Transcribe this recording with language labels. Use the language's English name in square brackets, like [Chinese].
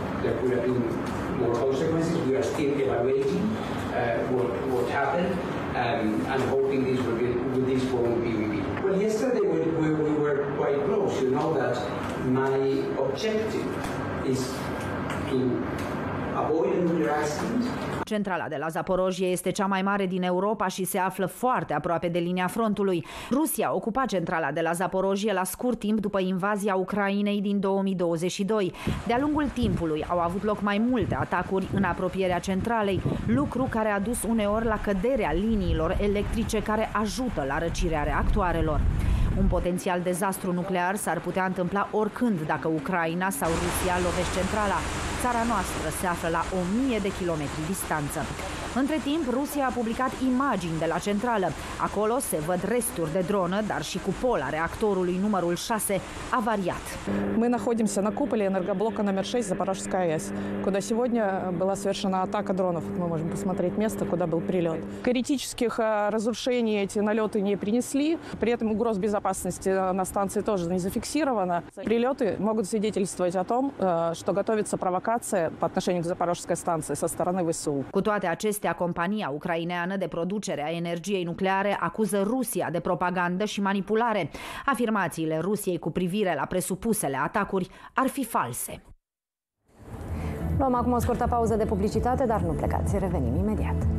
[English] There could have been more consequences. We are still evaluating what happened and hoping this won't be repeated. Well, yesterday we were quite close. You know that my objective is to avoid another accident. [Romanian] Centrala de la Zaporojie este cea mai mare din Europa și se află foarte aproape de linia frontului. Rusia ocupa centrala de la Zaporojie la scurt timp după invazia Ucrainei din 2022. De-a lungul timpului au avut loc mai multe atacuri în apropierea centralei, lucru care a dus uneori la căderea liniilor electrice care ajută la răcirea reactoarelor. Un potențial dezastru nuclear s-ar putea întâmpla oricând dacă Ucraina sau Rusia lovește centrala. Țara noastră se află la 1000 de kilometri distanță. Între timp, Rusia a publicat imagini de la centrală. Acolo se văd resturi de dronă, dar și cupola reactorului numărul 6 avariat. [Russian] Мы находимся на куполе энергоблока номер 6 Запорожская АЭС, куда сегодня была совершена атака дронов. Мы можем посмотреть место, куда был прилет. Критических разрушений эти налеты не принесли. При этом угроз безопасности на станции тоже не зафиксировано. Прилеты могут свидетельствовать о том, что готовится провокация по отношению к Запорожской станции со стороны ВСУ. [Romanian] Cu toate acestea, compania ucraineană de producere a energiei nucleare acuză Rusia de propagandă și manipulare. Afirmațiile Rusiei cu privire la presupusele atacuri ar fi false. Luăm acum o scurtă pauză de publicitate, dar nu plecați, revenim imediat.